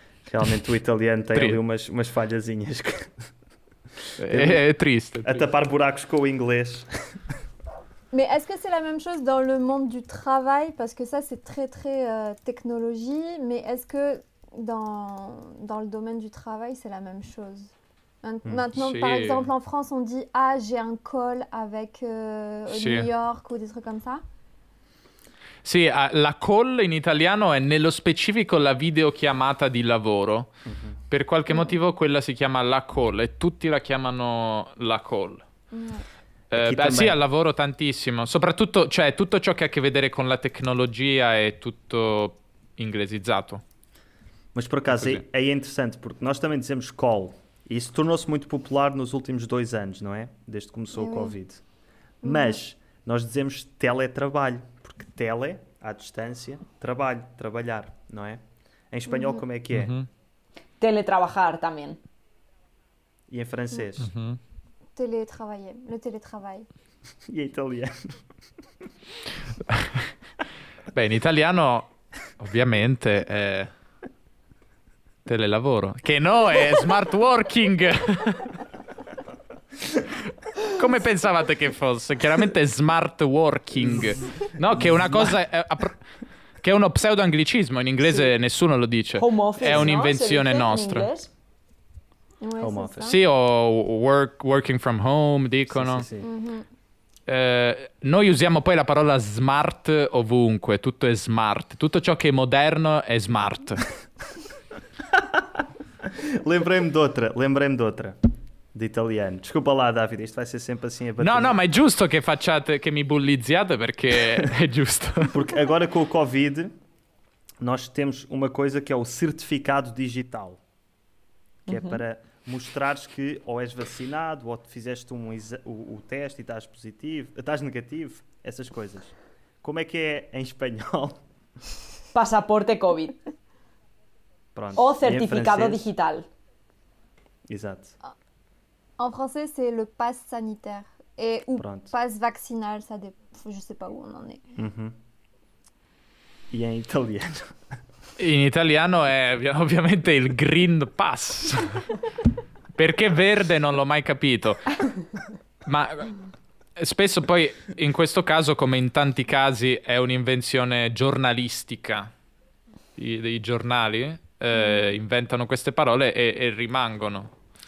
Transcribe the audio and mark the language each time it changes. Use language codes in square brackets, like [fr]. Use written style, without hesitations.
[pt] Realmente o italiano tem ali umas falhazinhas. É triste. A tapar buracos com o inglês. [fr] Mais est-ce que c'est la même chose dans le monde du travail? Parce que ça, c'est très, très technologie. Mais est-ce que dans le domaine du travail, c'est la même chose. Maintenant, si. Par exemple, en France, on dit « Ah, j'ai un call avec si. New York » ou des trucs comme ça. [it] Sì, la call in italiano è nello specifico la videochiamata di lavoro. Mm-hmm. Per qualche motivo quella si chiama la call e tutti la chiamano la call. Mm. Sì, al lavoro tantissimo. Soprattutto, cioè, tutto ciò che ha a che vedere con la tecnologia è tutto inglesizzato. Ma per caso è interessante, perché noi [pt] também dizemos call. E isso tornou-se muito popular nos últimos 2 anos, não é? Desde que começou o Covid. Mas nós dizemos teletrabalho. Porque tele, à distância, trabalho, trabalhar, não é? Em espanhol, como é que é? Teletrabajar também. E em francês? [fr] Teletravailler, le teletravail. [pt] E em italiano? Bem, em italiano, obviamente, é telelavoro. Que não é smart working! [it] Come pensavate che fosse? Chiaramente smart working. No, che è una cosa. Che è uno pseudo anglicismo. In inglese sì. Nessuno lo dice. [en] Home office, [it] è un'invenzione no? nostra. In [en] home office. [it] Sì, o [en] working from home, [it] dicono. Sì, sì, sì. Mm-hmm. Noi usiamo poi la parola smart ovunque. Tutto è smart. Tutto ciò che è moderno è smart. [pt] Lembrei-me d'outra. [it] Di italiano. [pt] Desculpa lá, Davide, isto vai ser sempre assim a bater. [it] No, no, ma è giusto che facciate, che mi bullizziate, perché è giusto. [pt] Porque agora com o Covid, nós temos uma coisa que é o certificado digital. Que uh-huh. é para mostrares que ou és vacinado, ou fizeste o teste e estás positivo, estás negativo, essas coisas. Como é que é em espanhol? Passaporte Covid. Pronto. Ou certificado francês, digital. Exato. [fr] En français, c'est le passe sanitaire et ou passe vaccinal, ça dépend, je sais pas où on en est. Mm-hmm. Et en italien. [it] In italiano è ovviamente il green pass. Perché verde non l'ho mai capito. Ma spesso poi in questo caso, come in tanti casi, è un'invenzione giornalistica dei giornali, inventano queste parole e rimangono.